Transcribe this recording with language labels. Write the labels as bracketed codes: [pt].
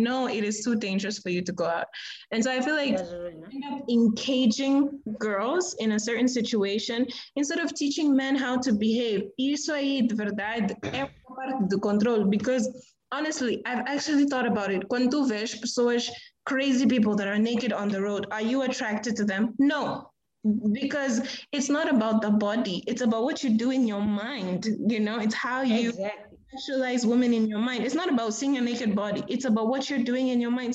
[en] No, it is too dangerous for you to go out. And so I feel like end up engaging girls in a certain situation instead of teaching men how to behave. [pt] Isso aí, de verdade, é uma parte do controle. [en] Because, honestly, I've actually thought about it. [pt] Quando tu vês pessoas, [en] crazy people that are naked on the road, are you attracted to them? No, because it's not about the body, it's about what you do in your mind. You know, it's how you Exactly. sexualize women in your mind. It's not about seeing a naked body, it's about what you're doing in your mind.